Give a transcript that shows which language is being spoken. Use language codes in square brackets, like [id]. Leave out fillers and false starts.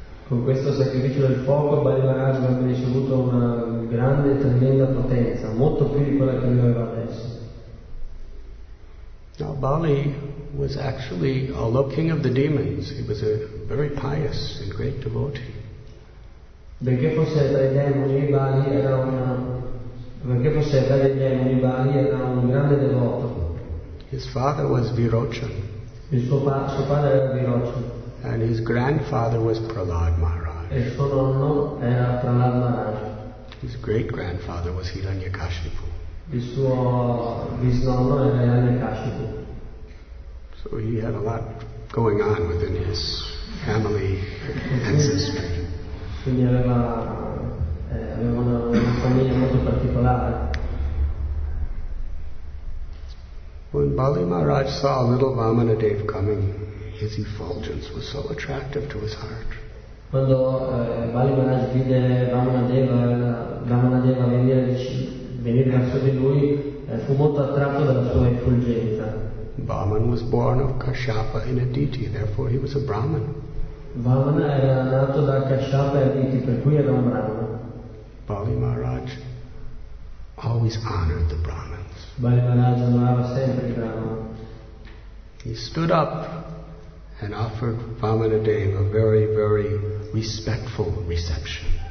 [it] Con questo sacrificio del fuoco Bali Maharaj avrebbe ricevuto una grande, tremenda potenza, molto più di quella che lui aveva adesso. [en] Now Bali was actually, although king of the demons, he was a very pious and great devotee. [it] Benché fosse tra i demoni, Bali era perché fosse il re dei demoni, Bali era un grande devoto. [en] His father was Virochan. [it] Suo padre era Virochan. [en] And his grandfather was Prahlad Maharaj. [it] E suo nonno era Prahlad Maharaj. [en] His great grandfather was Hiranyakashipu. [it] Il suo bisnonno era Hiranyakashipu. [en] So he had a lot going on within his family ancestry. [it] Quindi aveva una famiglia molto particolare. [en] When Bali Maharaj saw little Vamanadeva coming, his effulgence was so attractive to his heart. [it] Quando Bali Maharaj vide Vamanadeva venire verso di lui, fu molto attratto dalla sua effulgenza. [en] Vaman was born of Kashyapa and Aditi, therefore he was a Brahman. [it] Vamana era nato da Kashyapa e Aditi, per cui era un Brahman. [en] Bali Maharaj always honored the Brahmins. [it] Bali Maharaj amava sempre i Brahmins. [en] He stood up and offered Vamanadeva a very, very respectful reception.